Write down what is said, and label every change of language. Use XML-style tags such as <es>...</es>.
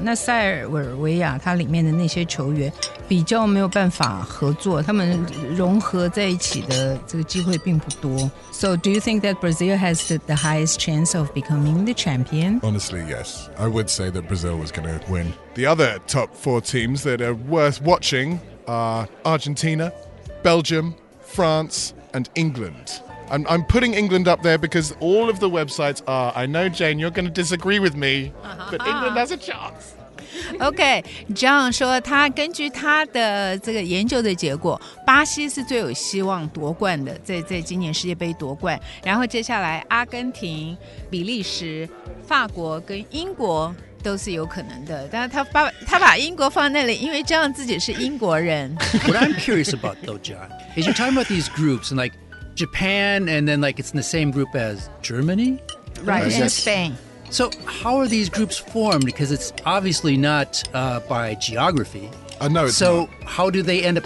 <zh>那塞尔维亚它里面的那些球员比较没有办法合作，他们融合在一起的这个机会并不多。</zh> <en>So do you think that Brazil has the highest chance of becoming the champion? Honestly, yes. I would say that Brazil was going to win. The other top four teams that are worth watching. Argentina, Belgium, France, and England. I'm putting England up there because all of the websites are. I know, Jane, you're going to disagree with me, but England has a chance.</en> <zh>Okay, John 说他根据他的这个研究的结果，巴西是最有希望夺冠的，在今年世界杯夺冠。然后接下来，阿根廷、比利时、法国跟英国。都是有可能的，但是他把英国放在那里，因为这样自己是英国人。</zh> <en>What I'm curious about, though, John, is you're talking about these groups and like Japan, and then like it's in the same group as Germany, right? And Spain. So how are these groups formed? Because it's obviously not by geography. No, it's so not. How do they end up?</en>